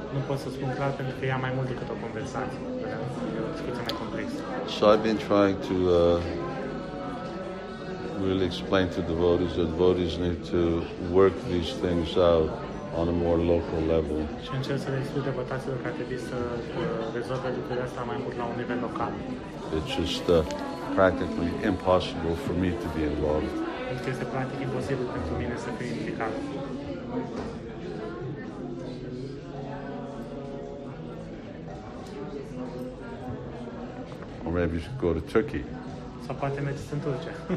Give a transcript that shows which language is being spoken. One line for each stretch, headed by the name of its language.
Romanian: Nu pot să spun clar pentru că ia mai mult decât o conversație, e o discuție mai complexă.
English: So I've been trying to really explain to devotees that devotees need to work these things out on a more local level.
Romanian: Și încerc să le explic devotaților că trebuie să rezolve lucrurile astea mai mult la un nivel local.
English: It's just practically impossible for me to be involved.
Romanian: Pentru că este practic imposibil pentru mine să fiu implicat.
English: Or maybe you should go to Turkey.
Romanian: Sau poate mergeți în Turcia.